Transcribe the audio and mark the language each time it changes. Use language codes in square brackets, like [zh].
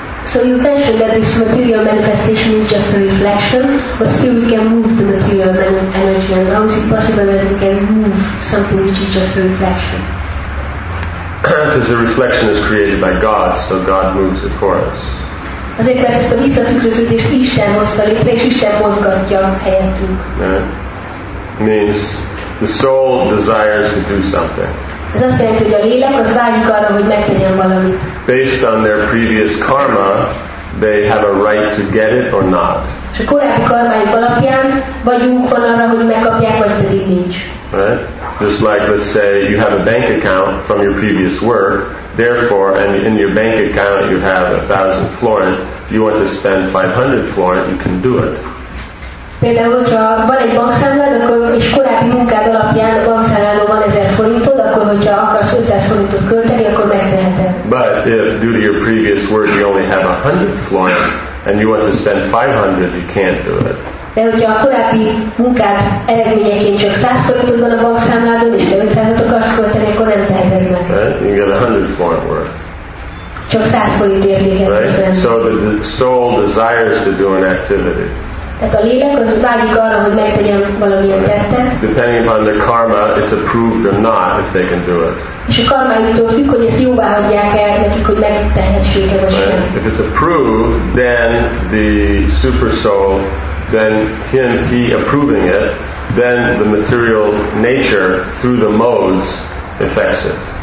[en] So you mentioned that this material manifestation is just a reflection, but still we can move the material energy. And how is it possible that we can move something which is just a reflection? Because the reflection is created by God, so God moves it for us. [hu] Azért, mert ezt a visszatükröződést Isten hozta létre, és Isten mozgatja helyettünk. [en] Means the soul desires to do something. [hu] Ez azt jelenti, hogy a lélek az vágyik arra, hogy megtegyen valamit. [en] Based on their previous karma, they have a right to get it or not. [hu] És a korábbi karmájuk alapján vagyunk van arra, hogy megkapják, vagy pedig nincs. [en] Right? Just like, let's say, you have a bank account from your previous work, therefore, and in your bank account you have 1,000 florin, you want to spend 500 florin, you can do it. [hu] Például, hogyha van egy bankszámlád, akkor és korábbi munkád alapján a bankszámládon van 1,000 forintod, akkor hogyha akarsz 500 forintot költeni, akkor megteheted. [en] But if due to your previous work you only have 100 florin and you want to spend 500, you can't do it. [hu] De hogyha a korábbi munkád eredményeként csak 100 forintod van a bankszámládon és 500-at akarsz költeni, akkor nem teheted meg. [en] Right? You get 100 florin worth. [hu] Csak 100 forint értéket is right? [en] So the soul desires to do an activity. [hu] Tehát a lélek az vágyik arra, hogy megtegyen valamilyen tettet. [en] Depending upon the karma, it's approved or not if they can do it. [hu] És a karmájuktól függ, hogy ezt jóvá hagyják el nekik, hogy megtehessék-e vagy sem. [en] If it's approved, then the super soul, then he approving it, then the material nature through the modes affects it.